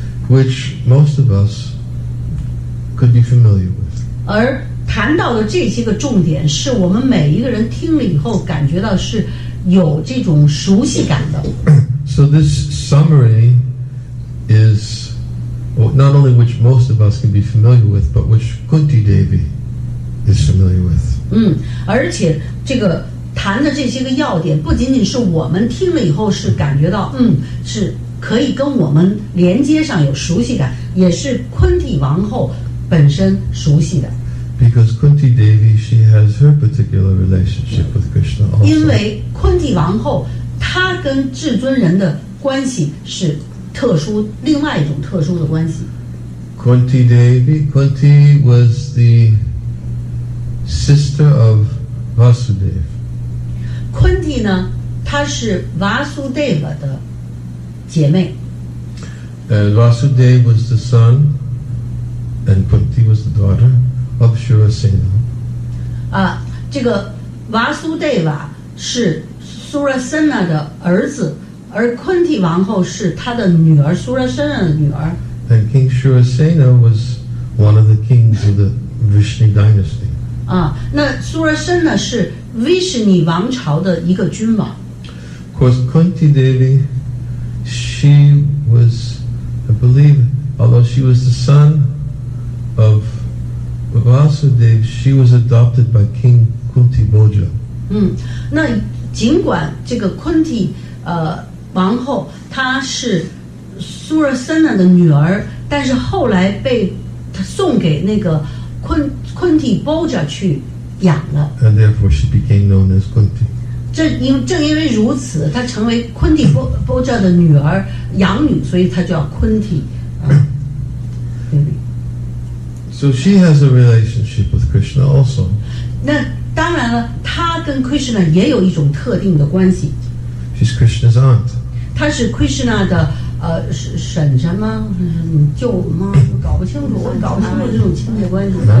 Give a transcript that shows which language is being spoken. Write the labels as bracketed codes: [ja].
[en] Which most of us could be familiar with. [zh] 而谈到的这些个重点是我们每一个人听了以后感觉到是有这种熟悉感的。 [en] So this summary is not only which most of us can be familiar with, but which Kunti Devi is familiar with. [zh] 而且这个谈的这些个要点不仅仅是我们听了以后是感觉到是可以跟我们连接上有熟悉感，也是昆蒂王后本身熟悉的。 [en] Because Kunti Devi, she has her particular relationship with Krishna also. [zh] 因为昆蒂王后，她跟至尊人的关系是特殊，另外一种特殊的关系。 [en] Kunti Devi, Kunti was the sister of Vasudeva. [zh] Kunti 呢，她是 Vasudeva 的姐妹。 [en] And Vasudeva was the son, and Kunti was the daughter. Of Surasena. [zh] 这个 Vasudeva 是 Surasena 的儿子，而 Kunti 王后是他的女儿 Surasena 的女儿。 [en] And King Surasena was one of the kings of the Vishnu dynasty. [zh] 那 Surasena 是 Vishnu 王朝的一个君王。 [en] course, Kunti Devi, she was, I believe, although she was the son of Vasudev, she was adopted by King Kunti Bhoja. [zh] 那尽管这个 Kunti 王后她是 Surasena 的女儿，但是后来被送给那个 Kunti Bhoja 去养了。 [en] And therefore she became known as Kunti. [zh] 正因为如此，她成为 Kunti Bhoja 的女儿养女，所以她叫 Kunti。 [en] So she has a relationship with Krishna also. [zh] 那当然了，她跟 Krishna 也有一种特定的关系。 [en] She's Krishna's aunt. [zh] 她是 Krishna 的婶什么舅妈，搞不清楚这种亲戚关系。